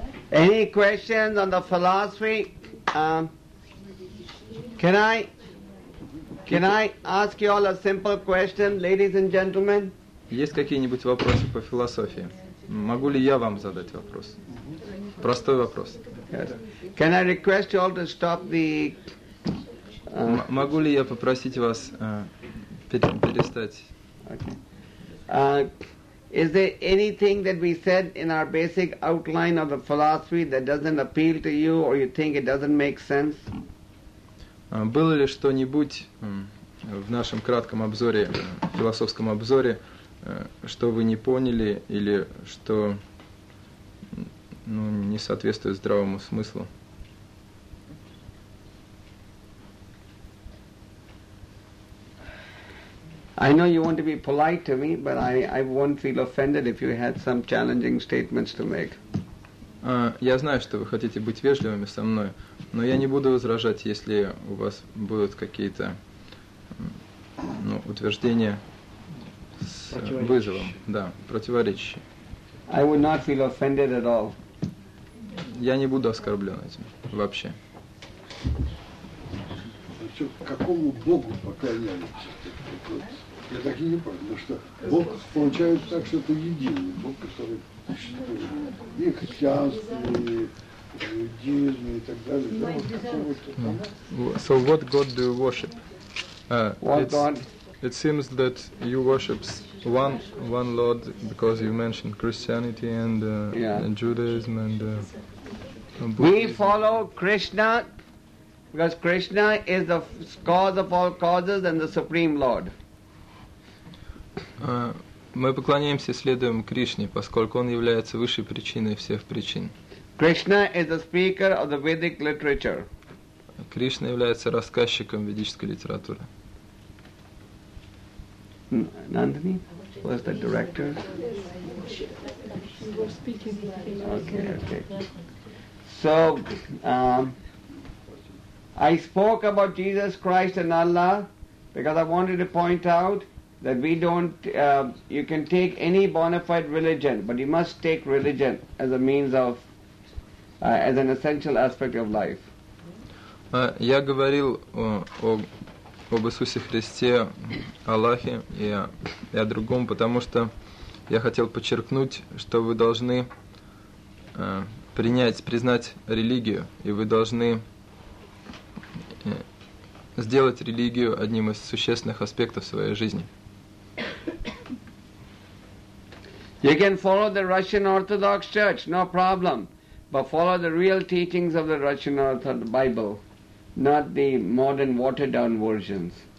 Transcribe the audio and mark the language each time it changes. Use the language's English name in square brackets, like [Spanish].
[English] Any questions on the philosophy? Can I ask you all a simple question, ladies and gentlemen? [Russian] Есть какие-нибудь вопросы по философии? Могу ли я вам задать вопрос? Простой вопрос. [English] Yes. Can I request you all to stop the? [Russian] Могу ли я попросить вас перестать? [English] Okay. Is there anything that we said in our basic outline of the philosophy that doesn't appeal to you, or you think it doesn't make sense? [Russian] Было ли что-нибудь в нашем кратком обзоре, философском обзоре, что вы не поняли или что не соответствует здравому смыслу? [English] I know you want to be polite to me, but I won't feel offended if you had some challenging statements to make. [Russian] Я знаю, что вы хотите быть вежливыми со мной, но я не буду возражать, если у вас будут какие-то утверждения с вызовом, да, противоречащие. [English] I would not feel offended at all. [Russian] Я не буду оскорблен этим вообще. Какому Богу поклоняетесь? Я так и не понял, потому что Бог получается так, что это единый Бог, который и христианство, и иудаизм, и так далее. Да, [English] вот so what God do you worship? One God. It seems that you worship one Lord, because you mentioned Christianity and Judaism and Buddhism. We follow Krishna, because Krishna is the cause of all causes and the Supreme Lord. [Russian] Мы поклоняемся и следуем Кришне, поскольку Он является высшей причиной всех причин. [English] Krishna is the speaker of the Vedic literature. [Russian] Кришна является рассказчиком ведической литературы. [English] Nandini, who is the director? Okay. So, I spoke about Jesus Christ and Allah because I wanted to point out that we don't, you can take any bona fide religion, but you must take religion as a means of, as an essential aspect of life. [Russian] Я говорил об Иисусе Христе, Аллахе и о другом, потому что я хотел подчеркнуть, что вы должны принять, признать религию, и вы должны сделать религию одним из существенных аспектов своей жизни. [English] You can follow the Russian Orthodox Church, no problem, but follow the real teachings of the Russian Orthodox Bible, not the modern watered-down versions.